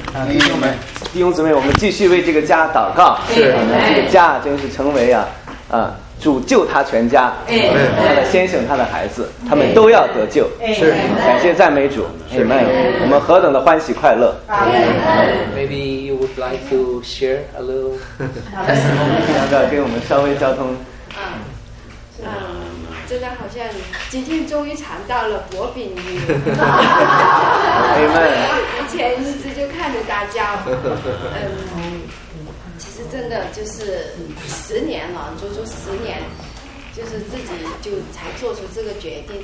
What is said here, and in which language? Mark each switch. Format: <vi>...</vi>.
<zh>啊，弟兄们，弟兄姊妹，我们继续为这个家祷告，是我们这个家真是成为啊主救他全家，他的先生，他的孩子，他们都要得救，是感谢赞美主，是吗？我们何等的欢喜快乐。</zh> <en>Maybe you would like to share a little testimony，</en> <zh>要不要给我们稍微交通？真的好像今天终于尝到了薄饼鱼。</zh> <en>Amen。</en> <zh>以前一直就看着大家，其实真的就是十年了，足足十年，就是自己就才做出这个决定。</zh>